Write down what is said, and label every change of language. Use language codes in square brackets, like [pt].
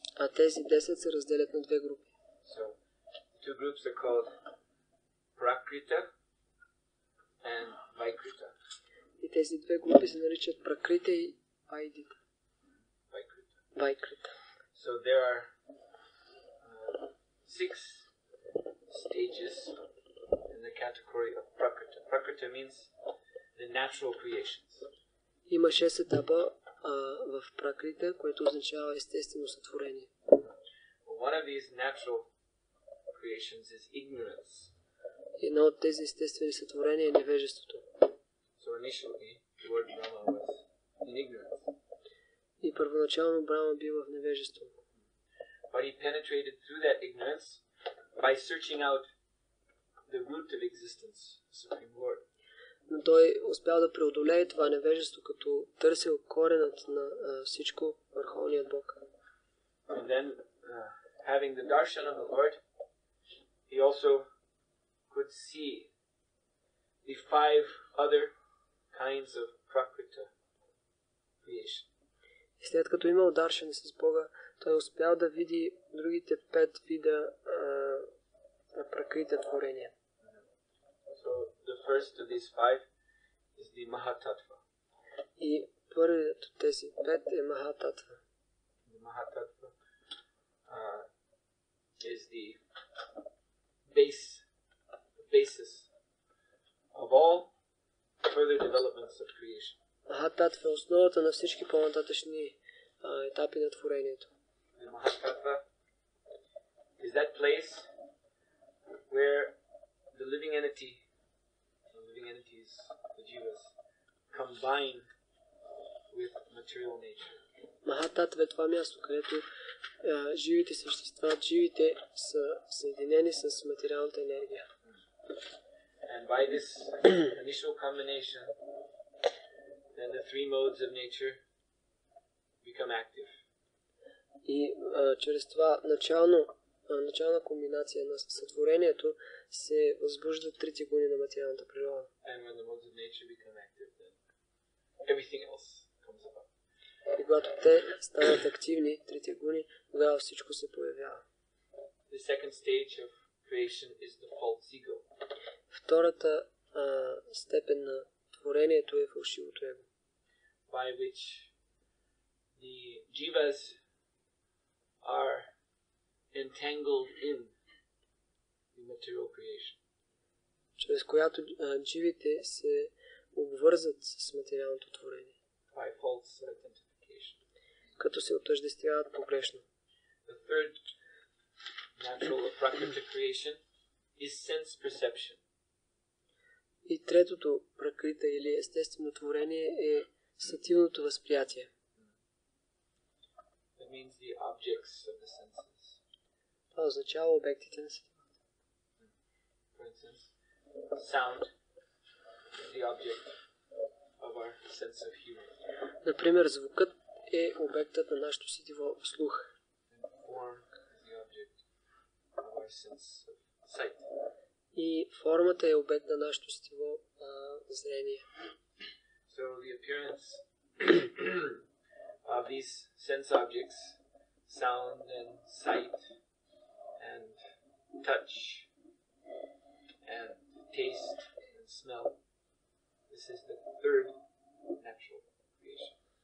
[bg] А тези 10 се разделят на 2 групи. [en] So, the 2 groups are called Prakrita and Vaikrita. [bg] И тези две групи се наричат Пракрита и Вайдита. Вайкрита. [en] So there are 6 stages in the category of Prakrita. Prakrita means the natural creations. [bg] Има 6 етапа в Пракрита, което означава естествено сътворение. [en] One of these natural creations is ignorance. [bg] Едно от тези естествени сътворения е невежеството. [en] So initially, the word Brahma was in ignorance. [bg] И първоначално Брама бил в невежество. [en] But he penetrated through that ignorance by searching out the root of existence, the Supreme Lord. [bg] Но той успял да преодолее това невежество, като търсил коренът на всичко, Върховният Бог. [en] And then, having the darshan of the Lord, he also could see the five other kinds of prakriti creation. [bg] И след като имал даршан с Бога, той успял да види другите пет вида на прокрита творение. [en] So the first of these five is the Mahatattva. [bg] И първият от тези пет е Mahatattva. [en] The Mahatattva is the basis of all further developments of creation. [bg] Mahatattva е основата на всички по-нататъчни етапи на творението. [en] The Mahatattva is that place where the living entity, the living entities, the jivas, combine with material nature. [bg] Mahatattva е това място, където живите същества, живите са съединени с материалната енергия. [en] And by this initial combination, then the three modes of nature become active. [bg] И чрез това начална комбинация на сътворението се възбуждат трите гуни на материалната природа. [en] And when the modes of nature become active, then everything else comes about. [bg] И когато те станат активни, трите гуни, тогава всичко се появява. [en] The second stage of creation is the false ego. [bg] Втората степен на творението е фалшивото его. [en] By which the jivas are entangled in the material creation. [bg] Чрез която живите се обвързат с материалното творение. [en] By false identification. [bg] Като се отъждествяват погрешно. [en] The third natural or prakriti creation is sense perception. [bg] И третото пракрита или естествено творение е сътилното възприятие. [en] That means the objects of the senses. [bg] Това означава обектите на сетивата. [en] For instance, sound is the object of our sense of hearing. [bg] Например, звукът е обектът на нашето сетиво слух. [en] And form is the object of our sense of sight. [bg] И формата е обект на нашето сетиво зрение. [en] So the appearance of these sense objects, sound and sight and touch and taste and smell, this is the third natural creation.